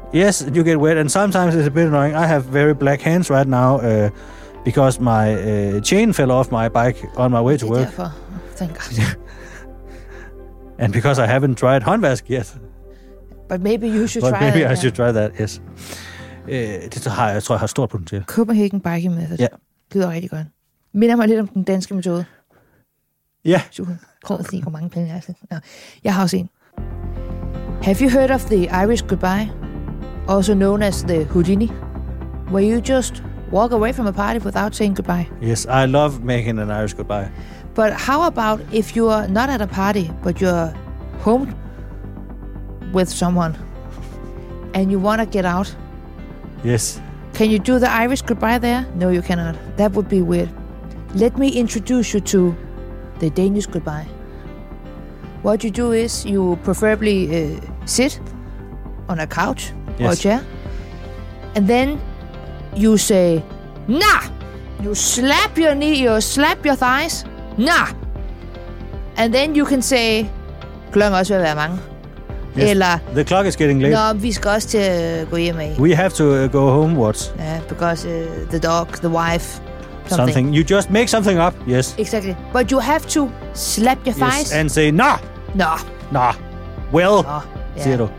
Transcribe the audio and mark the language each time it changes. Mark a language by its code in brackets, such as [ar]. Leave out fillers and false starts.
[en] Yes, you get wet, and sometimes it's a bit annoying. I have very black hands right now because my chain fell off my bike on my way to work. Thank God. And because I haven't tried håndvask yet. But maybe you should but try maybe that. Maybe I should try that, yes. [da] Jeg tror, jeg har stort potentiale. Copenhagen biking method. Ja. Det lyder rigtig godt. Minder mig lidt om den danske metode. Ja. Prøv at sige, hvor mange penge jeg har. No. Jeg har også en. [en] Have you heard of the Irish goodbye? Also known as the Houdini, where you just walk away from a party without saying goodbye. Yes, I love making an Irish goodbye. But how about if you're not at a party, but you're home with someone? and you want to get out. Yes. Can you do the Irish goodbye there? No, you cannot. That would be weird. Let me introduce you to the Danish goodbye. What you do is you preferably sit on a couch, yes, or a chair. And then you say, nah! You slap your knee, you slap your thighs. Nah! And then you can say, [da] klokken også vil være mange. [en] Yes. Eller, the clock is getting late. [da] Nå, vi skal også til at gå hjem af. [en] We have to go home, what? Yeah, because the dog, the wife, something. Something. You just make something up, yes. Exactly. But you have to slap your thighs. Yes, and say, nah! Nah. Nah. Well, [da] siger du.